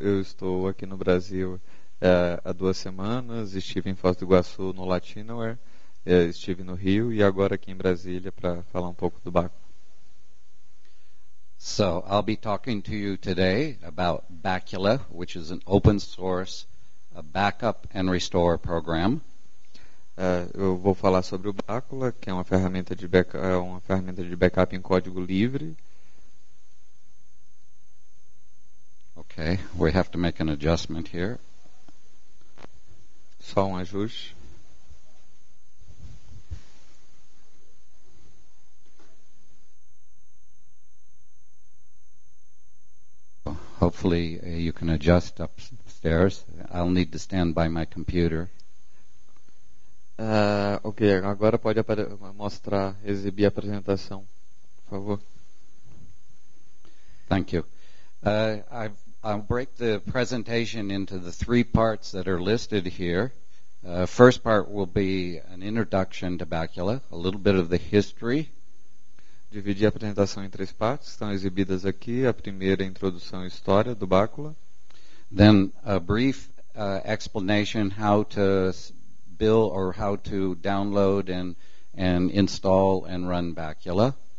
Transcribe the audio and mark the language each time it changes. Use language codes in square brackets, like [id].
[pt] Eu estou aqui no Brasil há 2 semanas, estive em Foz do Iguaçu no Latinoware, estive no Rio e agora aqui em Brasília para falar um pouco do Bacula. [en] So, I'll be talking to you today about Bacula, which is an open source backup and restore program. [pt] Eu vou falar sobre o Bacula, que é uma ferramenta de backup em código livre. [en] Okay, we have to make an adjustment here. [pt] Só um ajuste. [en] Hopefully you can adjust upstairs. I'll need to stand by my computer. [pt] Ok, agora pode exibir a apresentação, por favor. [en] Thank you. I'll break the presentation into the 3 parts that are listed here. First part will be an introduction to Bacula, a little bit of the history. [pt] Dividi a apresentação em 3 partes, estão exibidas aqui. A primeira, introdução e história do Bacula. [en] Then a brief explanation how to build or how to download and install and run Bacula.